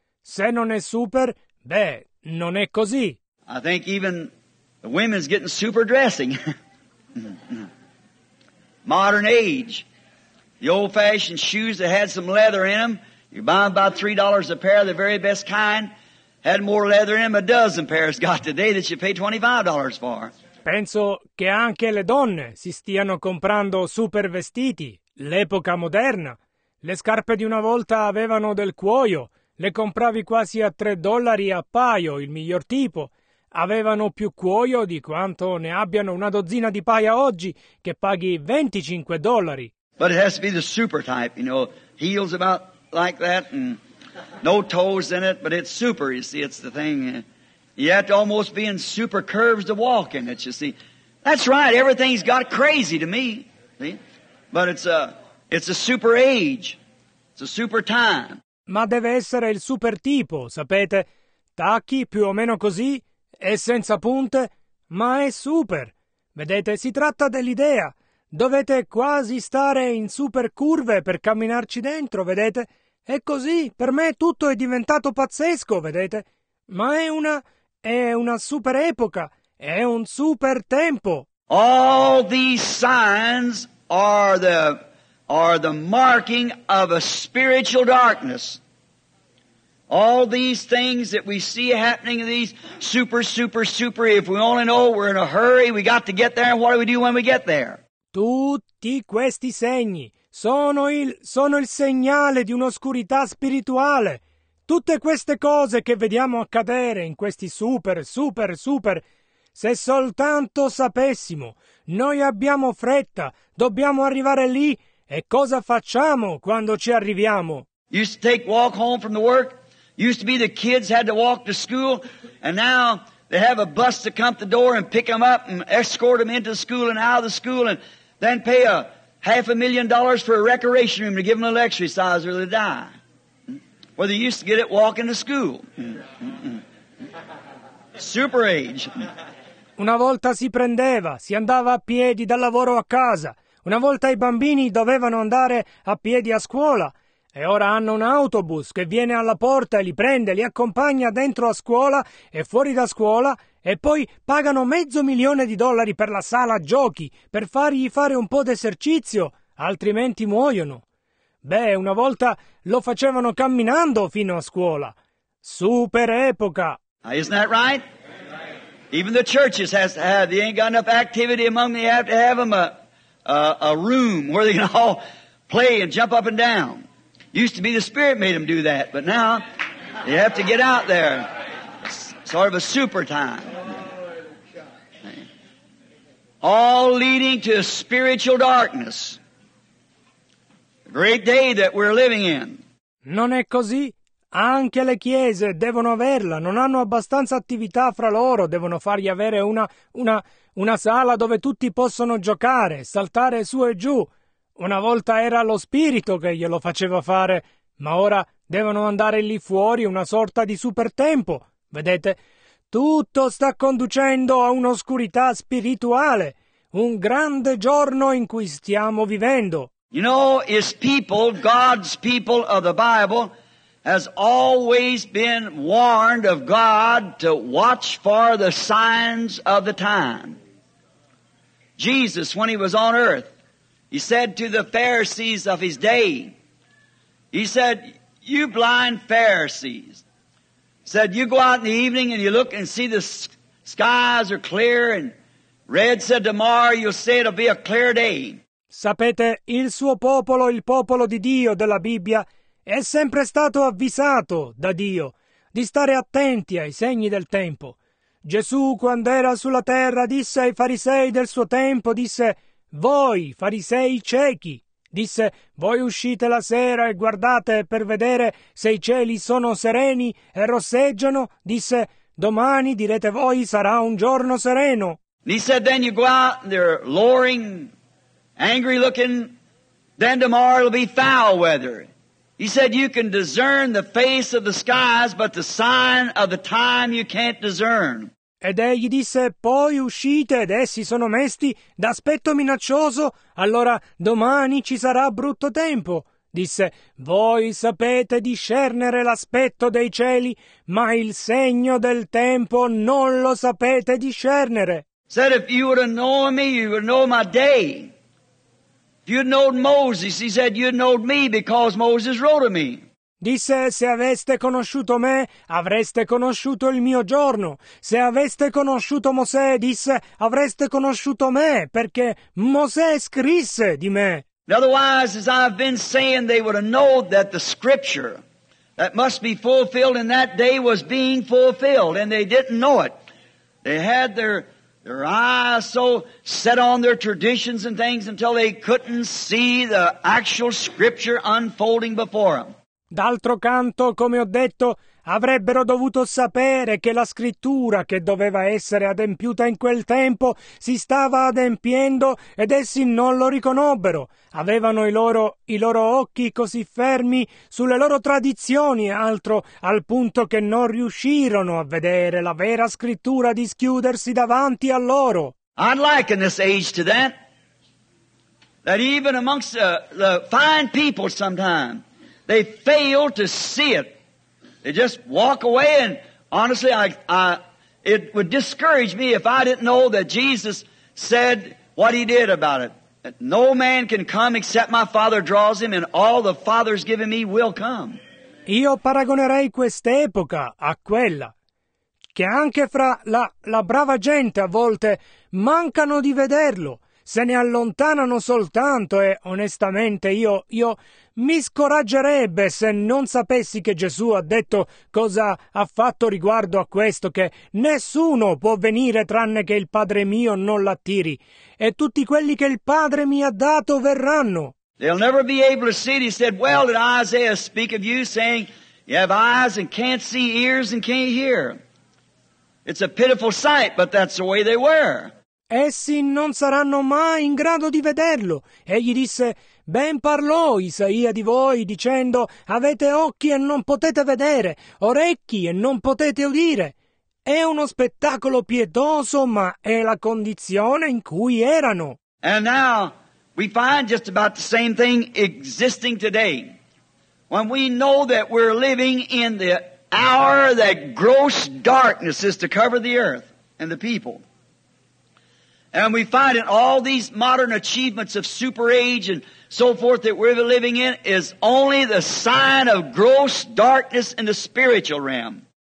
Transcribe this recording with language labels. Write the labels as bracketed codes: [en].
[it] Se non è super, beh, non è così. [en] I think even the women's getting super dressing. Modern age. The old-fashioned shoes that had some leather in them, you buy them about $3 a pair, the very best kind, had more leather in them a dozen pairs got today that you pay $25 for. [it] Penso che anche le donne si stiano comprando super vestiti, l'epoca moderna. Le scarpe di una volta avevano del cuoio, le compravi quasi a $3 a paio, il miglior tipo. Avevano più cuoio di quanto ne abbiano una dozzina di paia oggi, che paghi $25. [en] But it has to be the super type, you know, heels about like that and no toes in it, but it's super, you see, it's the thing. You have to almost be in super curves to walk in it, you see. That's right, everything's got crazy to me, see. But it's a super age, it's a super time. [it] Ma deve essere il super tipo, sapete, tacchi più o meno così e senza punte, ma è super. Vedete, si tratta dell'idea. Dovete quasi stare in super curve per camminarci dentro, vedete? È così, per me tutto è diventato pazzesco, vedete? Ma è una super epoca, è un super tempo. [en] All these signs are the marking of a spiritual darkness. All these things that we see happening, these super, super, super, if we only know we're in a hurry, we got to get there, and what do we do when we get there? [it] Tutti questi segni sono il segnale di un'oscurità spirituale. Tutte queste cose che vediamo accadere in questi super, super, super, se soltanto sapessimo, noi abbiamo fretta, dobbiamo arrivare lì, e cosa facciamo quando ci arriviamo? [en] Used to take walk home from the work. Used to be the kids had to walk to school, and now they have a bus to come to the door and pick them up and escort them into school and out of the school and then pay $500,000 for a recreation room to give them a lecture size or they die. Well, they used to get it walking to school. Super age. [it] Una volta si prendeva, si andava a piedi dal lavoro a casa. Una volta i bambini dovevano andare a piedi a scuola. E ora hanno un autobus che viene alla porta e li prende, li accompagna dentro a scuola e fuori da scuola e poi pagano $500,000 per la sala giochi per fargli fare un po' d'esercizio, altrimenti muoiono. Beh, una volta lo facevano camminando fino a scuola. Super epoca! [en] Isn't that right? Even the churches has to have, they ain't got enough activity among them, they have to have them a room where they can all play and jump up and down. Used to be the Spirit made them do that, but now you have to get out there. Sort of a super time. All leading to spiritual darkness. A great day that we're living in. [it] Non è così? Anche le chiese devono averla. Non hanno abbastanza attività fra loro. Devono fargli avere una sala dove tutti possono giocare, saltare su e giù. Una volta era lo spirito che glielo faceva fare, ma ora devono andare lì fuori una sorta di supertempo. Vedete? Tutto sta conducendo a un'oscurità spirituale, un grande giorno in cui stiamo vivendo. [en] You know, his people, God's people of the Bible, has always been warned of God to watch for the signs of the time. Jesus, when he was on earth, he said to the Pharisees of his day, he said, you blind Pharisees, said, you go out in the evening and you look and see the skies are clear and red, said, tomorrow you'll say it'll be a clear day. [it] Sapete, il suo popolo, il popolo di Dio della Bibbia, è sempre stato avvisato da Dio di stare attenti ai segni del tempo. Gesù, quando era sulla terra, disse ai farisei del suo tempo, disse: «Voi, farisei ciechi!» Disse: «Voi uscite la sera e guardate per vedere se i cieli sono sereni e rosseggiano?» Disse: «Domani, direte voi, sarà un giorno sereno!» [en] He said, then you go out and they're lowering, angry looking, then tomorrow it'll be foul weather. He said, you can discern the face of the skies, but the sign of the time you can't discern. [it] Ed egli disse, poi uscite ed essi sono mesti d'aspetto minaccioso, allora domani ci sarà brutto tempo. Disse, voi sapete discernere l'aspetto dei cieli, ma il segno del tempo non lo sapete discernere. [en] Said, if you would have known me, you would know my day. If you'd known Moses, he said, you'd know me because Moses wrote of me. [it] Disse, se aveste conosciuto me, avreste conosciuto il mio giorno. Se aveste conosciuto Mosè, disse, avreste conosciuto me, perché Mosè scrisse di me. [en] In other words, as I've been saying, they would have known that the scripture that must be fulfilled in that day was being fulfilled, and they didn't know it. They had their eyes so set on their traditions and things until they couldn't see the actual scripture unfolding before them. [it] D'altro canto, come ho detto, avrebbero dovuto sapere che la scrittura che doveva essere adempiuta in quel tempo si stava adempiendo ed essi non lo riconobbero. Avevano i loro occhi così fermi sulle loro tradizioni e altro, al punto che non riuscirono a vedere la vera scrittura dischiudersi davanti a loro. [en] I'd like in this age to that even amongst the fine people sometimes, they fail to see it. They just walk away, and honestly, it would discourage me if I didn't know that Jesus said what he did about it. That no man can come except my Father draws him, and all the Father's given me will come. [it] Io paragonerei quest'epoca a quella che anche fra la brava gente a volte mancano di vederlo. Se ne allontanano soltanto e, onestamente, io mi scoraggerebbe se non sapessi che Gesù ha detto cosa ha fatto riguardo a questo, che nessuno può venire tranne che il Padre mio non l'attiri, e tutti quelli che il Padre mi ha dato verranno. [en] They'll never be able to see it. He said, well, did Isaiah speak of you, saying, you have eyes and can't see, ears and can't hear? It's a pitiful sight, but that's the way they were. [it] Essi non saranno mai in grado di vederlo. Egli disse, ben parlò Isaia di voi, dicendo, avete occhi e non potete vedere, orecchi e non potete udire. È uno spettacolo pietoso, ma è la condizione in cui erano. [en] And now we find just about the same thing existing today. When we know that we're living in the hour that gross darkness is to cover the earth and the people. And we find in all these modern achievements of super age and so forth that we're living in is only the sign of gross darkness in the spiritual realm.